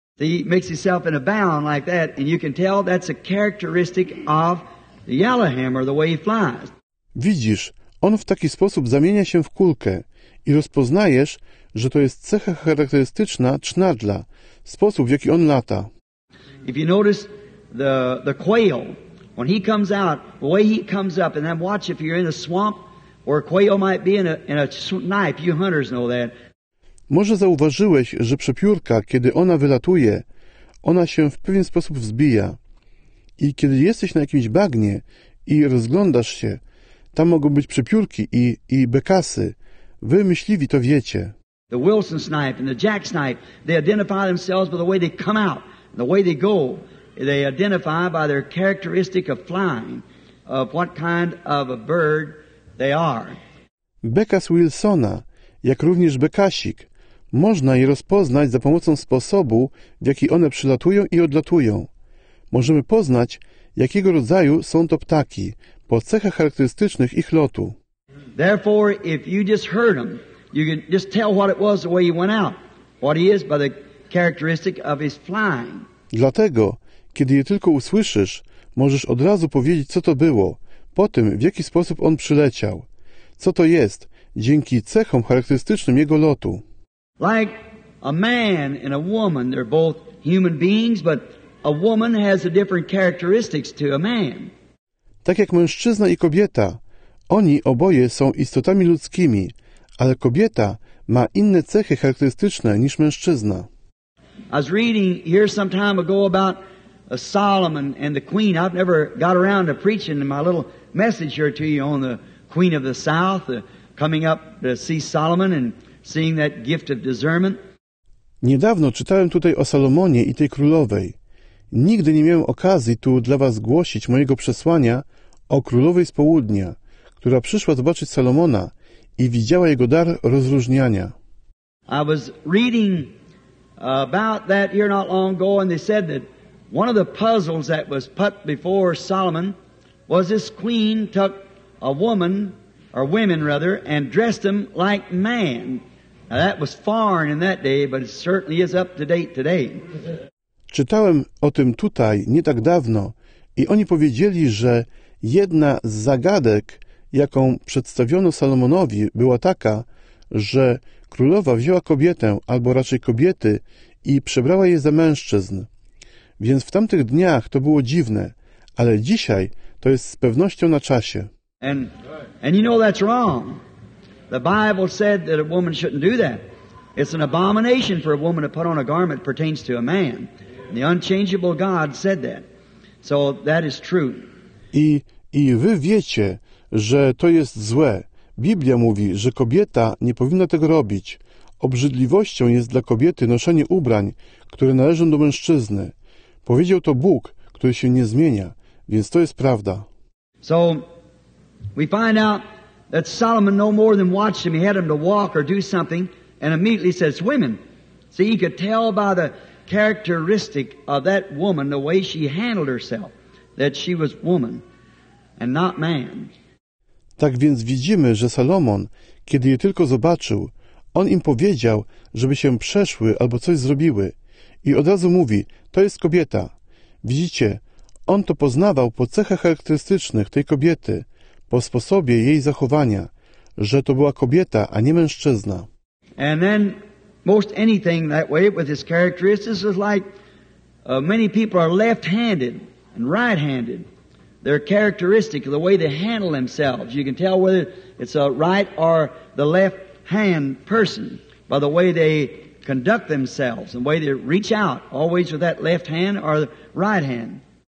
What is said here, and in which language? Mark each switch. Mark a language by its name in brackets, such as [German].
[English] He makes himself in a bound like that, and you can tell that's a characteristic of the yellowhammer, the way he flies. [Polish] Widzisz, on w taki sposób zamienia się w kulkę i rozpoznajesz, że to jest cecha charakterystyczna trznadla, sposób, w jaki on lata. [English] If you notice the quail, when he comes out, the way he comes up, and then watch if you're in a swamp, or a quail might be in a knife, you hunters know that. [Polish] Może zauważyłeś, że przepiórka, kiedy ona wylatuje, ona się w pewien sposób wzbija. I kiedy jesteś na jakimś bagnie i rozglądasz się, tam mogą być przepiórki i bekasy. Wy, myśliwi, to wiecie. [English] The Wilson snipe and the jack snipe, they identify themselves by the way they come out, the way they go. They identify by their characteristic of flying, of what kind of a bird they are. [Polish] Bekas Wilsona, jak również bekasik, można je rozpoznać za pomocą sposobu, w jaki one przylatują i odlatują. Możemy poznać, jakiego rodzaju są to ptaki, po cechach charakterystycznych ich lotu. [English] Therefore, if you just heard him, you can just tell what it was the way he went out, what he is by the characteristic of his flying. [Polish] Dlatego, kiedy je tylko usłyszysz, możesz od razu powiedzieć, co to było, po tym, w jaki sposób on przyleciał. Co to jest, dzięki cechom charakterystycznym jego lotu. [English] Like a man and a woman, they're both human beings, but a woman has a different characteristics to a man. [Polish] Tak jak mężczyzna i kobieta, oni oboje są istotami ludzkimi, ale kobieta ma inne cechy charakterystyczne niż mężczyzna. [English] I was reading here some time ago about Solomon and the queen. I've never got around to preaching in my little message here to you on the queen of the south, coming up to see Solomon and seeing that gift of discernment. [Polish] Niedawno czytałem tutaj o Salomonie i tej królowej. Nigdy nie miałem okazji tu dla was głosić mojego przesłania o królowej z południa, która przyszła zobaczyć Salomona i widziała jego dar rozróżniania. [English] I was reading about that here not long ago, and they said that one of the puzzles that was put before Solomon was this queen took a woman, or women rather, and dressed them like man. Now that was foreign in that day, but it certainly is up to date today. [Polish] Czytałem o tym tutaj nie tak dawno i oni powiedzieli, że jedna z zagadek, jaką przedstawiono Salomonowi, była taka, że królowa wzięła kobietę, albo raczej kobiety, i przebrała je za mężczyzn. Więc w tamtych dniach to było dziwne, ale dzisiaj to jest z pewnością na czasie. [English] And you know that's wrong. The Bible said that a woman shouldn't do that. It's an abomination for a woman to put on a garment that pertains to a man. And the unchangeable God said that. So that is true. [Polish] I wy wiecie, że to jest złe. Biblia mówi, że kobieta nie powinna tego robić. Obrzydliwością jest dla kobiety noszenie ubrań, które należą do mężczyzny. Powiedział to Bóg, który się nie zmienia, więc to jest prawda. [English] So we find out that Solomon no more than watched him. He had him to walk or do something, and immediately says, "Women." See, he could tell by the characteristic of that woman, the way she handled herself, that she was woman and not man. [Polish] Tak więc widzimy, że Salomon, kiedy je tylko zobaczył, on im powiedział, żeby się przeszły albo coś zrobiły. I od razu mówi, to jest kobieta. Widzicie, on to poznawał po cechach charakterystycznych tej kobiety, po sposobie jej zachowania, że to była kobieta, a nie mężczyzna. [English] And then most anything that way with his characteristics is like many people are left-handed and right-handed. their characteristic, the way they handle themselves. You can tell whether it's a right or the left hand person by the way they conduct themselves and the way they reach out, always with that left hand or the right hand.